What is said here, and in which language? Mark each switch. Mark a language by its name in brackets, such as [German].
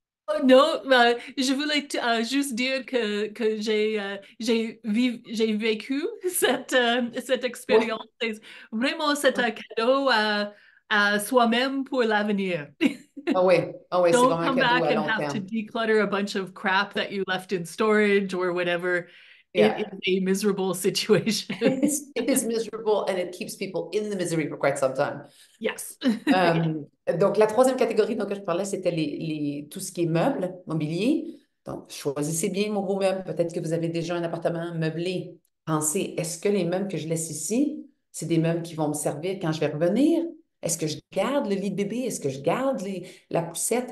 [French] Oh, non, je voulais juste dire que j'ai vécu cette expérience. Ouais. Vraiment, c'est un cadeau à soi-même pour l'avenir. Oh oui, c'est vraiment un cadeau à long terme. [English] Don't come back and have to declutter a bunch of crap that you left in storage or whatever. Yeah. It is a miserable situation. It is miserable and it keeps people in the misery for quite some time. Yes. [French] Donc, la troisième catégorie dont je parlais, c'était tout ce qui est meubles, mobilier. Donc, choisissez bien vos beaux meubles. Peut-être que vous avez déjà un appartement meublé. Pensez, est-ce que les meubles que je laisse ici, c'est des meubles qui vont me servir quand je vais revenir? Est-ce que je garde le lit de bébé? Est-ce que je garde la poussette?